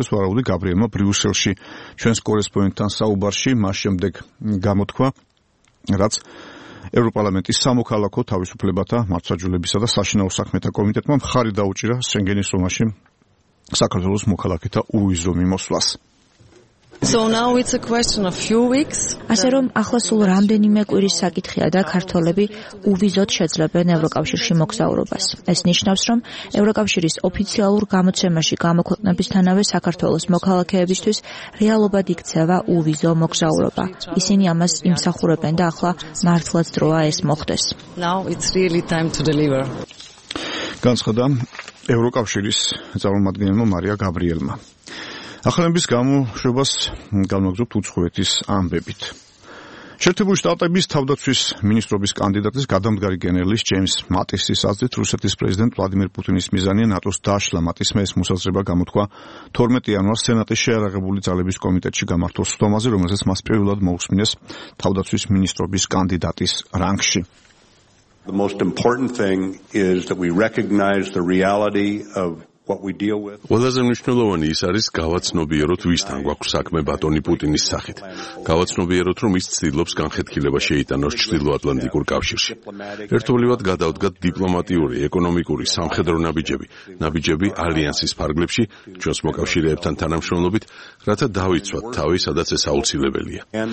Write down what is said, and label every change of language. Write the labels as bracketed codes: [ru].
[ka] ეს ვარაუდი გაბრიელმა ბრიუსელში ჩვენს კორესპონდენტთან საუბარში მას შემდეგ გამოთქვა, რაც ევროპარლამენტის სამოქალაქო თავისუფლებათა მართსაჯულებისა და საშინაო საქმეთა კომიტეტმა მხარი დაუჭირა შენგენის ზონაში საქართველოს მოქალაქეთა უვიზო მიმოსვლას. [en] So now it's a question of few weeks. [ka] ასე რომ ახლა სულ რამდენიმე კვირის საკითხია და ქართველები უვიზოდ შეძლებენ ევროკავშირში მოგზაურობას. ეს ნიშნავს, რომ ევროკავშირის ოფიციალურ გამოცემაში გამოქვეყნებისთანავე საქართველოს მოქალაქეებისთვის რეალობად იქცევა უვიზო მოგზაურობა. ისინი ამას იმსახურებენ და ახლა მართლაც დროა ეს მოხდეს. [en] Now it's really time to deliver. [ka] განცხადა ევროკავშირის წარმომადგენელმა მარია გაბრიელმა. ახლების გამოშვებას განაგზობთ უცხოეთის ამბებით. შეერთებული შტატების თავდაცვის მინისტრობის კანდიდატის გადამდგარი გენერლის ჯეიმს მატისის აზრით, რუსეთის პრეზიდენტ ვლადიმერ პუტინის მიზანია ნატოს დაშლა. მატისმა ეს მოსაზრება გამოთქვა 12 იანვარს სენატის შეარაღებული ძალების კომიტეტში გამართულ სხდომაზე, რომელსაც მას პირველად მოუსმინეს თავდაცვის მინისტრობის კანდიდატის რანგში. [en] The most important thing is that we recognize the reality of what we deal with. [ka] ყველაზე მნიშვნელოვანი ის არის, გავაცნობიეროთ, ვისთან გვაქვს საქმე ბატონი პუტინის სახით. გავაცნობიეროთ, რომ ის ცდილობს განხეთქილება შეიტანოს ჩრდილოატლანტიკურ კავშირში. ერთობლივად გადავდგათ დიპლომატიური, ეკონომიკური, სამხედრო ნაბიჯები, ნაბიჯები ალიანსის ფარგლებში, ჩვენს მოკავშირეებთან თანამშრომლობით, რათა დავიცვათ თავი, სადაც ეს აუცილებელია.